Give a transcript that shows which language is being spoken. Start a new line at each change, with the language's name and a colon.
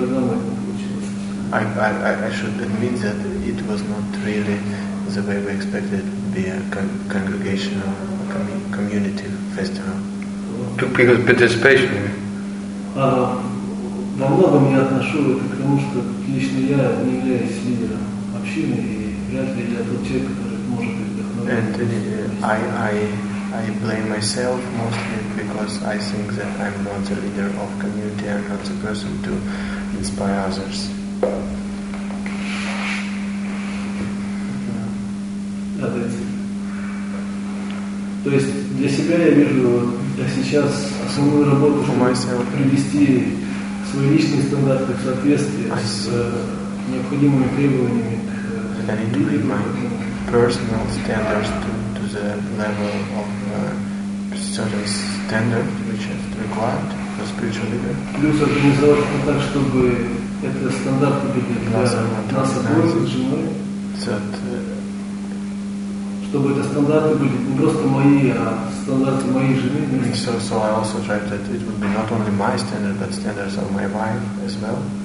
English: I should admit that it was not really the way we expected it to be a congregational community festival. Because participation.
Russian: Во многом я отношу это к тому, что лично я не являюсь лидером общины, и вряд ли я тот человек, который может быть вдохновлен.
English: And I blame myself mostly because I think that I'm not the leader of community, I'm not the person to inspire others.
Russian: То есть для себя я вижу, я сейчас основную работу, чтобы привести свои личные стандарты в соответствие с необходимыми требованиями к
English: personal standards to the level of certain standard which is required for spiritual leader.
Russian: Плюс организовать так, чтобы это стандарты были для нас обоих, чтобы это стандарты были не просто мои, а стандарты моей жены.
English: So I also tried that it would be not only my standard, but standards of my wife as well.